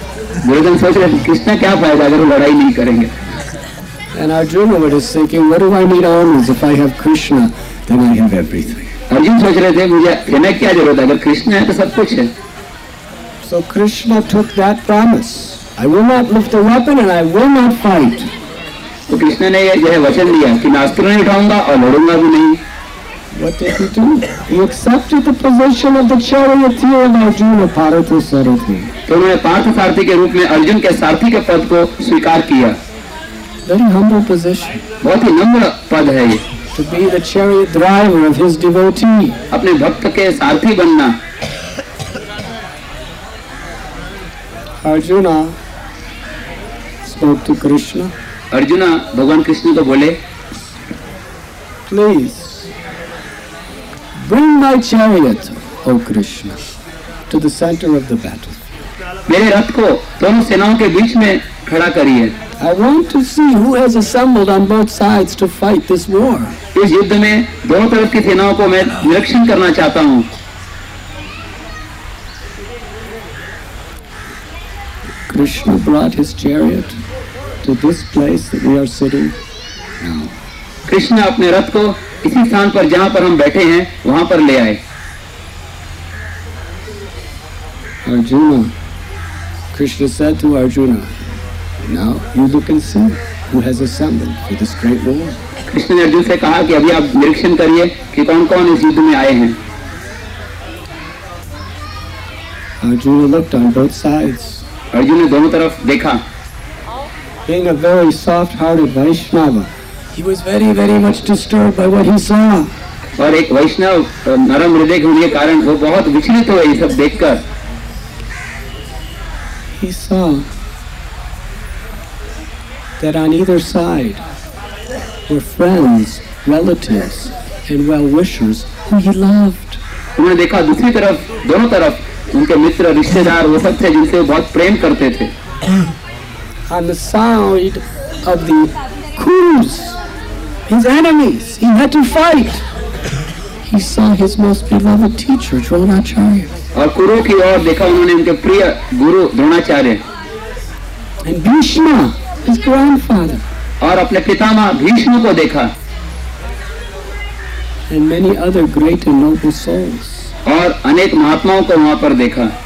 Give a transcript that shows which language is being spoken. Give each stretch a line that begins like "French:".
Hindi: दुर्योधन सोच रहे थे कृष्ण क्या फायदा अगर वो लड़ाई नहीं करेंगे.
English: And Arjuna was just thinking, what do I need armies if I have Krishna, then I have everything.
Hindi: Arjuna सोच रहे थे मुझे सेना क्या जरूरत है अगर कृष्ण है तो सब कुछ है.
English: So Krishna took that promise, I will not lift a weapon and I will not fight.
Hindi: तो कृष्ण ने यह वचन लिया कि मैं अस्त्र नहीं उठाऊंगा और लड़ूंगा भी नहीं.
English: What did he do? He accepted the position of the charioteer of Arjuna, Partha Sarathi.
Hindi: तो उन्होंने पार्थ सारथी के रूप में अर्जुन के सारथी के पद को स्वीकार किया.
English: Very humble position.
Hindi: बहुत ही नम्र पद है ये.
English: To be the chariot driver of his devotee.
Hindi: अपने भक्त के सारथी बनना.
English: Arjuna spoke to Krishna.
Hindi: Arjuna, भगवान कृष्ण तो बोले,
English: Please. Bring my chariot, O Krishna, to the center of the battle.
Hindi: मेरे रथ को दोनों सेनाओं के बीच में खड़ा करिए.
English: I want to see who has assembled on both sides to fight this war.
Hindi: इस युद्ध में दोनों तरफ की सेनाओं को मैं निरीक्षण करना चाहता हूँ.
English: Krishna brought his chariot to this place that we are sitting now.
Hindi: Krishna अपने रथ को इसी स्थान पर जहाँ पर हम बैठे हैं वहाँ पर ले आए.
English: Arjuna, Krishna said to Arjuna, Now you look and see who has assembled for this great war.
Hindi: Krishna ने अर्जुन से कहा कि अभी आप निरीक्षण करिए कि कौन-कौन इस युद्ध में आए हैं.
English: Arjuna looked on both sides.
Hindi: Arjun ने दोनों तरफ देखा.
English: Being a very soft-hearted Vaishnava. He was very, very much disturbed by what he saw.
Hindi: और एक वैष्णव नरम हृदय होने के कारण वो बहुत विचलित हुए ये सब देखकर.
English: He saw that on either side were friends, relatives, and well-wishers who he loved.
Hindi: उन्होंने देखा दूसरी तरफ दोनों तरफ उनके मित्र रिश्तेदार वो सब थे जिनसे वो बहुत प्रेम करते थे.
English: On the side of the Kurus. His enemies, he had to fight. He saw his most beloved teacher, Dronacharya.
Hindi: और कुरु की ओर देखा उन्होंने उनके प्रिय गुरु Dronacharya.
English: And Bhishma, his grandfather.
Hindi: और अपने पितामह भीष्म को देखा.
English: And many other great and noble souls.
Hindi: और अनेक महात्माओं को वहाँ पर देखा.